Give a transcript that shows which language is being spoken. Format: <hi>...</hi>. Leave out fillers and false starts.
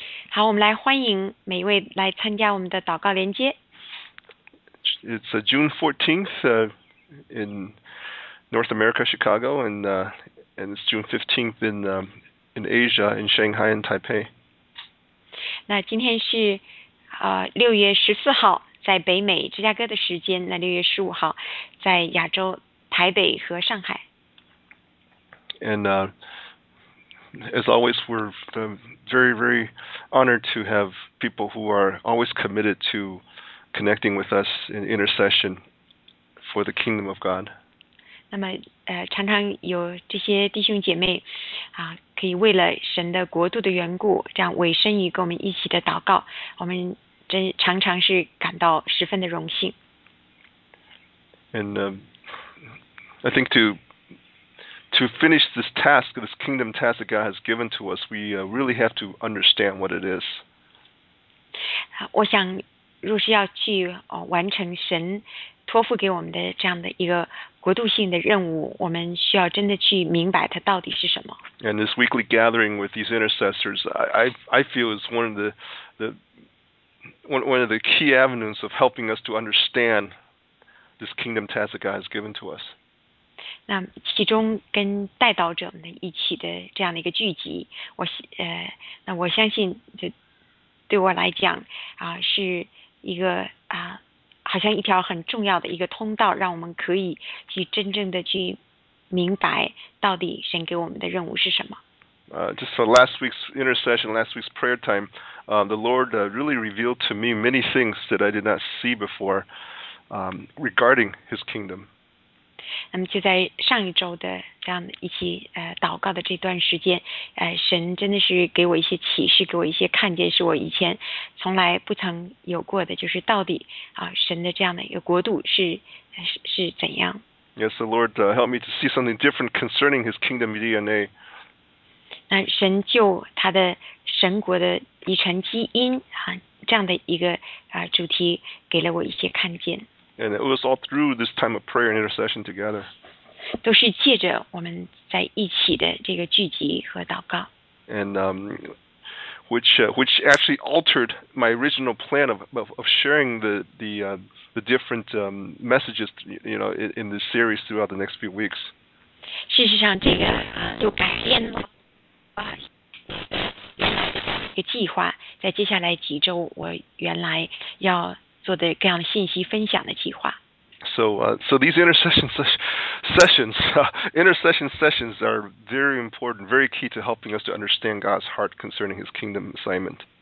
<zh>好，我们来欢迎每一位来参加我们的祷告连接。</zh> <en>It's June 14th in North America, Chicago, and it's June 15th in Asia, in Shanghai and Taipei.</en> <zh>那今天是六月十四号在北美芝加哥的时间，那六月十五号在亚洲台北和上海。</zh> <en>And as always, we're very, very honored to have people who are always committed to connecting with us in intercession for the kingdom of God.</en> <zh>那么，常常有这些弟兄姐妹啊，可以为了神的国度的缘故，这样委身于跟我们一起的祷告，我们真常常是感到十分的荣幸。</zh> <en>And I think to finish this task, this kingdom task that God has given to us, we really have to understand what it is.</en> <zh>我想，若是要去完成神托付给我们的这样的一个国度性的任务，我们需要真的去明白它到底是什么。</zh> <en>And this weekly gathering with these intercessors, I feel is one of the key avenues of helping us to understand this kingdom task that God has given to us.</en> <zh>那其中跟代祷者们一起的这样的一个聚集，那我相信就对我来讲是一个好像一条很重要的一个通道，让我们可以去真正的去明白到底神给我们的任务是什么。</zh> <en>Just for last week's intercession, last week's prayer time, the Lord really revealed to me many things that I did not see before, regarding His kingdom.</en> <zh>那么就在上一周的这样一起祷告的这段时间，神真的是给我一些启示，给我一些看见，是我以前从来不曾有过的，就是到底神的这样的一个国度是怎样。</zh> <en>Yes, the Lord helped me to see something different concerning His kingdom DNA.</en> <zh>那神就他的神国的遗传基因这样的一个主题给了我一些看见。</zh> <en>And it was all through this time of prayer and intercession together.</en> <zh>都是借着我们在一起的这个聚集和祷告。</zh> <en>And which actually altered my original plan of sharing the different messages, you know, in this series throughout the next few weeks.</en> <zh>事实上，这个就改变了一个计划，在接下来几周，我原来要。做的各样信息分享的计划。</zh> <en>So these intercession sessions are very important, very key to helping us to understand God's heart concerning His kingdom assignment.</en>